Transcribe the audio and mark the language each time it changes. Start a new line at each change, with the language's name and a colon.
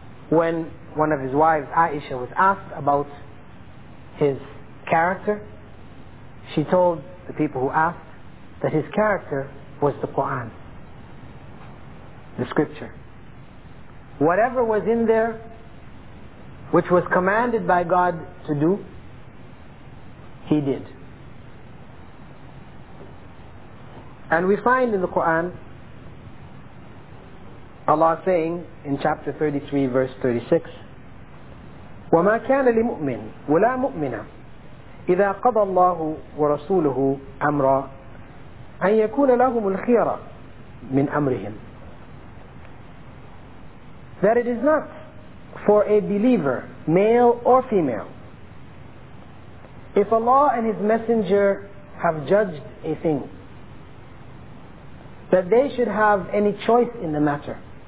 English: When one of his wives, Aisha, was asked about his character, she told the people who asked that his character was the Quran, the scripture. Whatever was in there which was commanded by God to do, he did. And we find in the Quran Allah saying in chapter 33 verse 36,
Arabic: وَمَا كَانَ لِمُؤْمِنْ وَلَا مُؤْمِنَ إِذَا قَضَى اللَّهُ وَرَسُولُهُ أَمْرًا أَنْ يَكُونَ لَهُمُ الْخِيَرَةُ مِنْ أَمْرِهِمْ.
English: That it is not for a believer, male or female, if Allah and His Messenger have judged a thing, that they should have any choice in the matter.